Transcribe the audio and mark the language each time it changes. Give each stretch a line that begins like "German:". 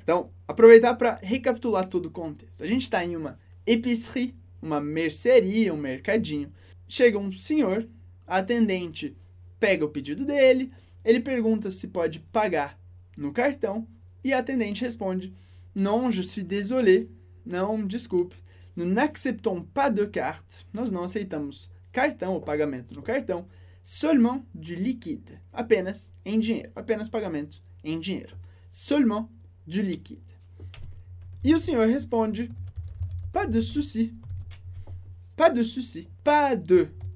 Portuguese: Então, aproveitar para recapitular todo o contexto. A gente está em uma épicerie, uma mercearia, um mercadinho. Chega um senhor, a atendente pega o pedido dele, ele pergunta se pode pagar no cartão e a atendente responde:
French: non, je suis désolé.
Portuguese: Não, desculpe.
French: Nous n'acceptons pas de carte.
Portuguese: Nós não aceitamos cartão ou pagamento no cartão.
French: Seulement du liquide.
Portuguese: Apenas em dinheiro. Apenas pagamento em dinheiro.
French: Seulement du liquide.
Portuguese: E o senhor responde:
French: pas de souci. Pas de souci. Pas de.